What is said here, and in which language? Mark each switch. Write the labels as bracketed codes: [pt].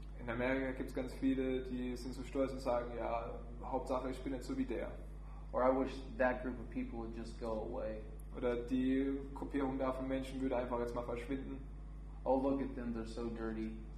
[de] In Amerika gibt es ganz viele, die sind so stolz und sagen, ja, Hauptsache ich bin nicht so wie der. [en] Or I wish that group of people would just go away. [de] Oder die Gruppierung da von Menschen würde einfach jetzt mal verschwinden. [en] Oh, look at them, they're so dirty.